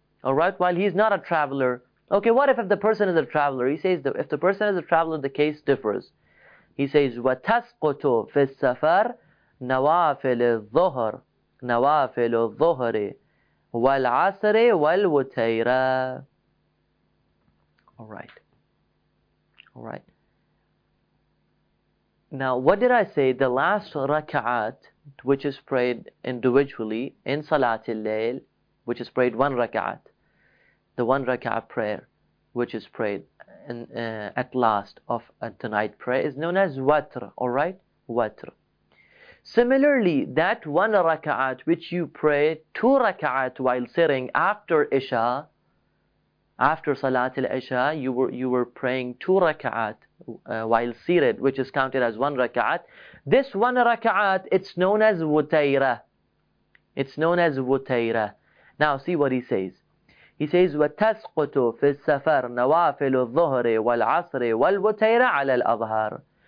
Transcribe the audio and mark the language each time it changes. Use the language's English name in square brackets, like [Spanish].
[English] All right, while he's not a traveler. Okay, what if the person is a traveler? He says, if the person is a traveler, the case differs. He says, [Arabic] وَتَسْقُطُ فِي السَّفَرِ نَوَافِلِ الظُّهْرِ نَوَافِلُ الظُّهْرِ وَالْعَصْرِ وَالْوَتَيْرَ. [English] Alright. Now, what did I say? The last rak'at, which is prayed individually in Salatul Layl, which is prayed one rak'at, the one rak'at prayer, which is prayed at the night prayer, is known as watr, alright? Watr. Similarly, that one rak'at which you pray two rak'at while sitting after Isha, after Salat al-Isha, you were praying two raka'at while seated, which is counted as one raka'at. This one raka'at, it's known as wutayra. It's known as wutayra. Now see what he says. He says, [Arabic] وَتَسْقُطُ فِي السَّفَرِ نَوَافِلُ الظُّهْرِ وَالْعَصْرِ وَالْوُتَيْرَ عَلَى الْأَظْهَرِ.